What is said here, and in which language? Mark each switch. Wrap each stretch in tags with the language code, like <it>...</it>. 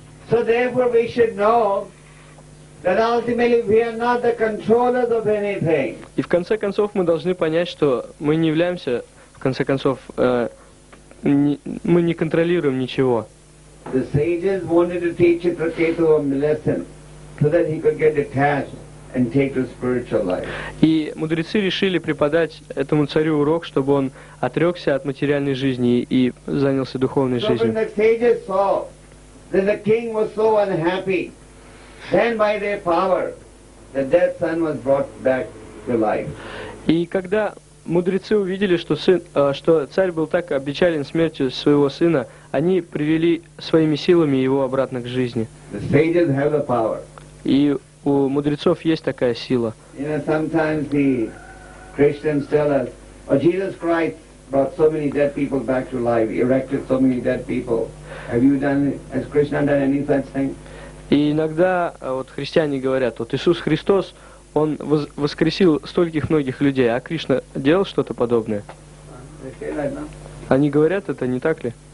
<en>So therefore we should know that ultimately we are not the controllers of anything.</en> <ru>И в конце концов мы должны понять, что мы не являемся... В конце концов, мы не контролируем ничего.</ru> <en>The sages wanted to teach Chitraketu a lesson so that he could get detached and take the spiritual life.</en> <ru>И мудрецы решили преподать этому царю урок, чтобы он отрекся от материальной жизни и занялся духовной жизнью.</ru> <en>So when the sages saw that the king was so unhappy, then by their power, the dead son was brought back to life.</en> <ru>И когда мудрецы увидели, что сын, что царь был так обечален смертью своего сына, они привели своими силами его обратно к жизни.</ru> <en>The sages have the power.</en> <ru>И у мудрецов есть такая сила.</ru> <en>You know, sometimes the Christians tell us, "Oh, Jesus Christ brought so many dead people back to life, erected so many dead people. Have you done, has Krishna done any such thing?"</en> <ru>И иногда вот христиане говорят, вот Иисус Христос, Он воскресил стольких многих людей, а Кришна делал что-то подобное? Они говорят это, не так ли?</ru>